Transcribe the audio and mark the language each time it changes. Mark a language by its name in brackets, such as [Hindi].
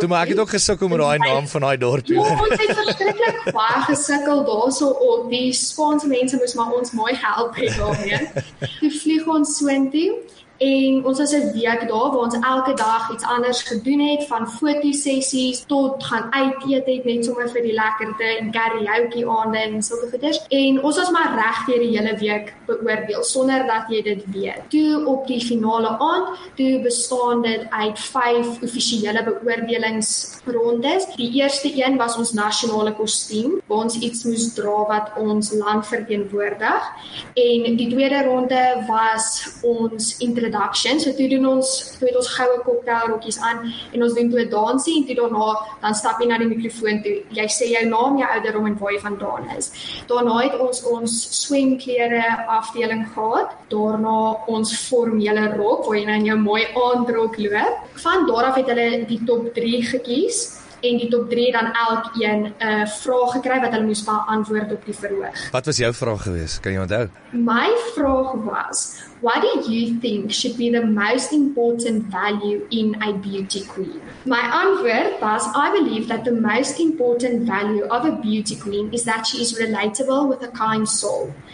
[Afrikaans] Toe maak ek ook gesukkel met daai naam van daai dorp. Ons het verskriklik baie gesukkel daarso op. Die Spaanse mense moes maar ons mooi help hê daarmee. Toe vlieg ons soontoe en ons was 'n week daar waar ons elke dag iets anders gedoen het, van fotosessies tot gaan uit eet het net sommer vir die lekkerte en karaoke aande en sulke goeders. En ons was maar reg deur die hele week beoordeel sonder dat jy dit weet. Toe op die finale aand, toe bestaan dit uit 5 offisiële beoordelingsrondes. Die eerste een was ons nasionale kostuum, waar ons iets moes dra wat ons land verteenwoordig. En die tweede ronde was ons introduction. So toe doen ons, toe het ons goue cocktail rokkies aan en ons doen toe 'n dansie en toe daarna dan stap jy na die mikrofoon toe. Jy sê jou naam, jou ouderdom en waar jy vandaan is. Daarna het ons swemklere afdeling gehad. Daarna ons formele rok waar jy nou in jou mooi aandrok loop. Van daar af het hulle die top 3 gekies en die top 3 dan elk een 'n vraag gekry wat hulle moes beantwoord op die verhoog. Wat was jou vraag gewees? Kan jy onthou? My vraag was, [English] what do you think should be the most important value in a beauty queen? [Afrikaans] My antwoord was, [English] I believe that the most important value of a beauty queen is that she is relatable with a kind soul.